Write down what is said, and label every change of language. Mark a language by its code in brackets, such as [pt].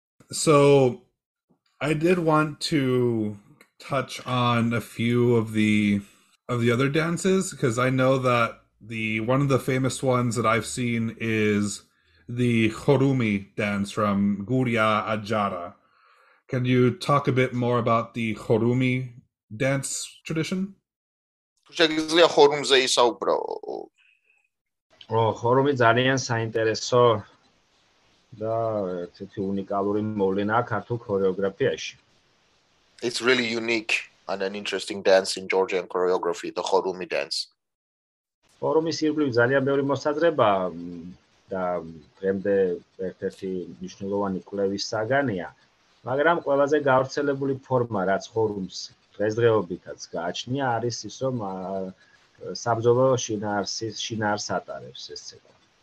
[en] So, I did want to touch on a few of the other dances, because I know that the one of the famous ones that I've seen is the Chorumi dance from Gurya Ajara. Can you talk a bit more about the Chorumi dance tradition? [ka] შეგიძლია ხორუმზე ისაუბრო. ხორუმი ძალიან საინტერესო და ცოტა უნიკალური მოვლენაა ქართულ ქორეოგრაფიაში. [en] It's really unique and an interesting dance in Georgian choreography, the Chorumi dance. [ka] ხორუმის ირგვლივ ძალიან ბევრი მოსაზრება და დღემდე ერთ-ერთი მნიშვნელოვანი კვლევის საგანია, მაგრამ ყველაზე გავრცელებული ფორმა, რაც ხორუმს დღესდღეობითაც გააჩნია, არის ის, რომ საბრძოლო შინაარს ატარებს ეს ცეკვა.